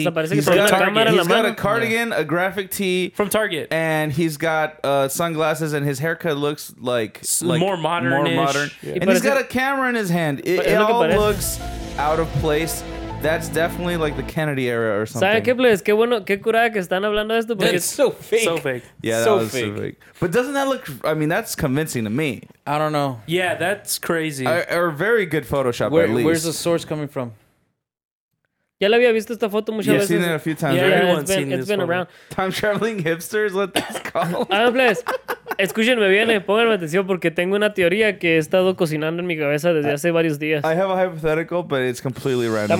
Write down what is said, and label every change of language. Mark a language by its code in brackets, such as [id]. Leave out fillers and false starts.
[en] He's got a cardigan, yeah, a graphic tee from Target, and he's got sunglasses, and his haircut looks like more modern-ish. More modern. Yeah. And he's got a camera in his hand. It looks out of place. That's definitely like the Kennedy era or something. [es] ¿Sabes qué, bueno, qué curada que están hablando esto? Porque [en] that's so fake. So fake. Yeah, so that was fake. So fake. But doesn't that look... I mean, that's convincing to me. I don't know. Yeah, that's crazy. Or very good Photoshop, at least. Where's the source coming from? [es] Ya la había visto esta foto muchas veces. [en] Seen it a few times. Yeah, it's been around. Time traveling hipsters, what that's called. Adam, please. [es] Escúchenme bien, pónganme atención porque tengo una teoría que he estado cocinando en mi cabeza desde hace varios días. [en] I have a hypothetical, but it's completely random.